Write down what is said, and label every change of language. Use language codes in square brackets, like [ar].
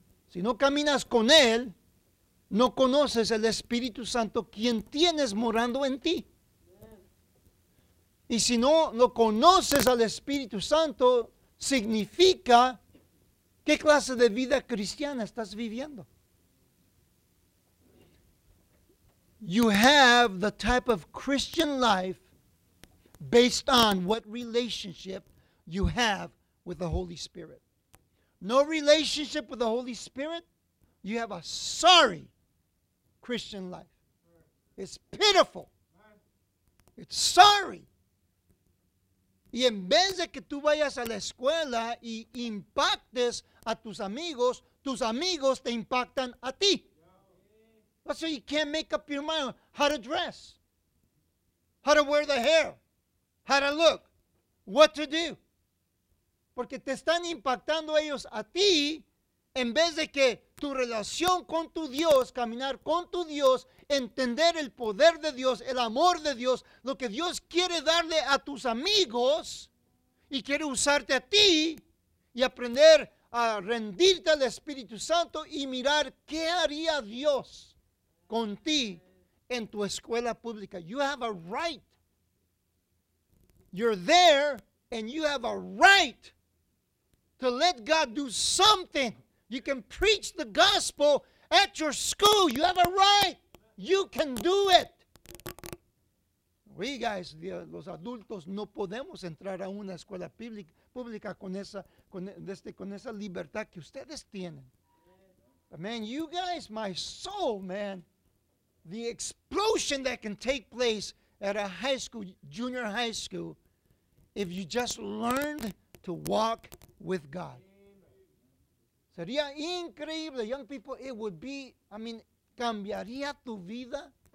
[es] Si no caminas con Él, no conoces el Espíritu Santo, quien tienes morando en ti. Y si no lo conoces al Espíritu Santo, significa qué clase de vida cristiana estás viviendo. [en] You have the type of Christian life based on what relationship you have with the Holy Spirit. No relationship with the Holy Spirit, you have a sorry Christian life. It's pitiful. It's sorry. [es] Y en vez de que tú vayas a la escuela y impactes a tus amigos te impactan a ti. [en] So you can't make up your mind how to dress, how to wear the hair, how to look, what to do. [es] Porque te están impactando ellos a ti en vez de que tu relación con tu Dios, caminar con tu Dios, entender el poder de Dios, el amor de Dios, lo que Dios quiere darle a tus amigos y quiere usarte a ti y aprender a rendirte al Espíritu Santo y mirar qué haría Dios con ti en tu escuela pública. [en] You have a right. You're there and you have a right to let God do something. You can preach the gospel at your school. You have a right. You can do it. We guys, [es] los adultos, no podemos entrar a una escuela pública con esa libertad que ustedes tienen. [en] But man, you guys, my soul, man, the explosion that can take place at a high school, junior high school, if you just learned to walk with God. [es] Sería increíble, [en] young people. It would be, [es] cambiaría tu vida.